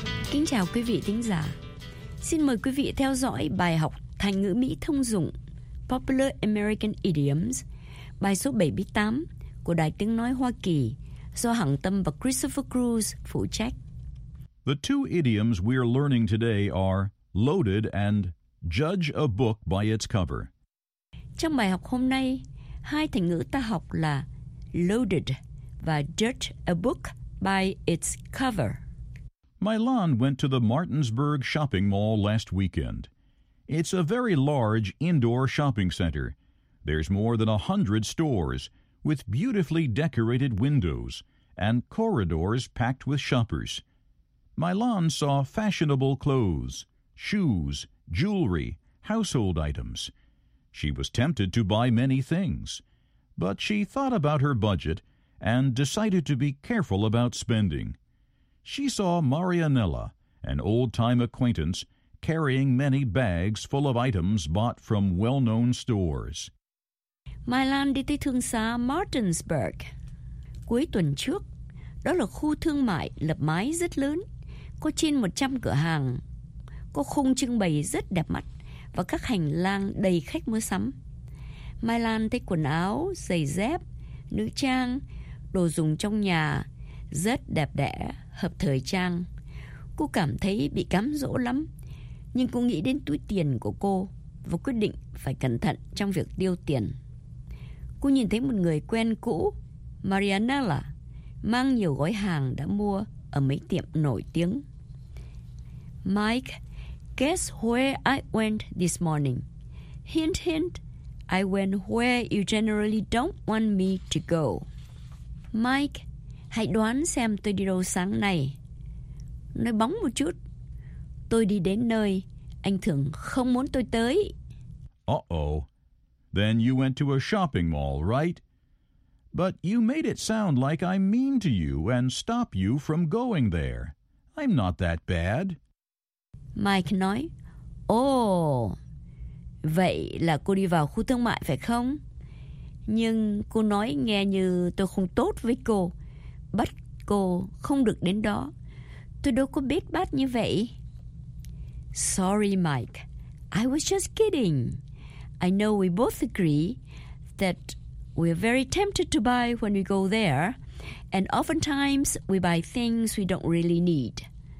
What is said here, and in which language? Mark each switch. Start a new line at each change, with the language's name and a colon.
Vietnamese: Kính chào quý vị thính giả. Xin mời quý vị theo dõi bài học thành ngữ Mỹ thông dụng Popular American Idioms, bài số 78 của Đài Tiếng Nói Hoa Kỳ do Hằng Tâm và Christopher Cruz phụ trách.
English: The two idioms we are learning today are loaded and judge a book by its cover.
Vietnamese: Trong bài học hôm nay, hai thành ngữ ta học là loaded và judge a book by its cover.
English: Milan went to the Martinsburg shopping mall last weekend. It's a very large indoor shopping center. There's more than 100 stores, with beautifully decorated windows and corridors packed with shoppers. Milan saw fashionable clothes, shoes, jewelry, household items. She was tempted to buy many things, but she thought about her budget and decided to be careful about spending. She saw Marianella, an old-time acquaintance, carrying many bags full of items bought from well-known stores.
Vietnamese: Milan đi tới thương xá Martinsburg. Cuối tuần trước, đó là khu thương mại lập mái rất lớn, có trên 100 cửa hàng, có khung trưng bày rất đẹp mắt và các hành lang đầy khách mua sắm. Milan thấy quần áo, giày dép, nữ trang, đồ dùng trong nhà rất đẹp đẽ, hợp thời trang. Cô cảm thấy bị cám dỗ lắm, nhưng cô nghĩ đến túi tiền của cô và quyết định phải cẩn thận trong việc tiêu tiền. Cô nhìn thấy một người quen cũ, Marianella, mang nhiều gói hàng đã mua ở mấy tiệm nổi tiếng.
English: Mike, guess where I went this morning? Hint, hint, I went where you generally don't want me to go.
Vietnamese: Mike, hãy đoán xem tôi đi đâu sáng nay. Nói bóng một chút. Tôi đi đến nơi anh thường không muốn tôi tới.
English: Uh-oh. Then you went to a shopping mall, right? But you made it sound like I'm mean to you and stop you from going there. I'm not that bad.
Vietnamese: Mike nói, Oh, vậy là cô đi vào khu thương mại phải không? Nhưng cô nói nghe như tôi không tốt với cô, bắt cô không được đến đó. Tôi đâu có biết bát như vậy.
English: Sorry, Mike. I was just kidding. I know we both agree that we are very tempted to buy when we go there, and oftentimes we buy things we don't really need.